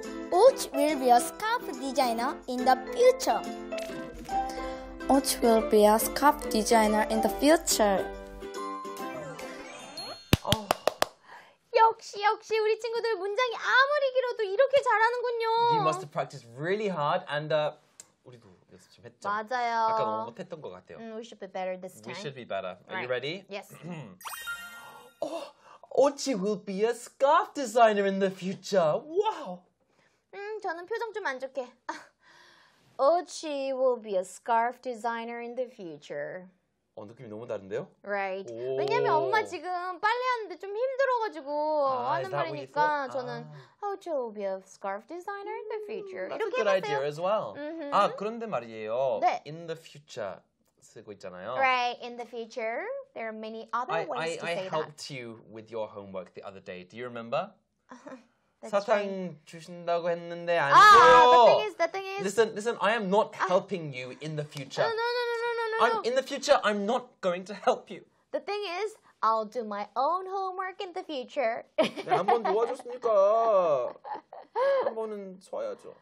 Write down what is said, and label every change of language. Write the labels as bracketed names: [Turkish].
[English] 오치 will be a scarf designer in the future. 오치 will be a scarf designer in the future. [Korean] 역시 우리 친구들 문장이 아무리 길어도 이렇게 잘하는군요. [English] You must have practiced really hard and [Korean] 우리도 연습 좀 했죠. 맞아요. 아까 너무 못했던 것 같아요. [English] We should be better this time. We should be better. Are right. you ready? Yes. 오치 will be a scarf designer in the future. Wow. [Korean] 저는 표정 좀 안 좋게. [English] 오치 will be a scarf designer in the future. [Korean] 느낌이 너무 다른데요? Right. 왜냐면 엄마 지금 빨래하는데 좀 힘들어가지고 하는 말이니까 저는 [English] Ocho will be a scarf designer in the future. That's a good [Korean] 해봤어요. [English] idea as well. Mm-hmm. [Korean] 아, 그런데 말이에요. 네. [English] In the future [Korean] 쓰고 있잖아요. [English] Right. In the future, there are many other ways to say that. I helped you with your homework the other day. Do you remember? [Korean] 사탕 [English] right. [Korean] 주신다고 했는데 안 줘요. [English] The thing is. Listen, I am not helping you in the future. No. In the future, I'm not going to help you. The thing is, I'll do my own homework in the future. [Korean] 네, 한 번 도와줬으니까 한 번은 쏴야죠.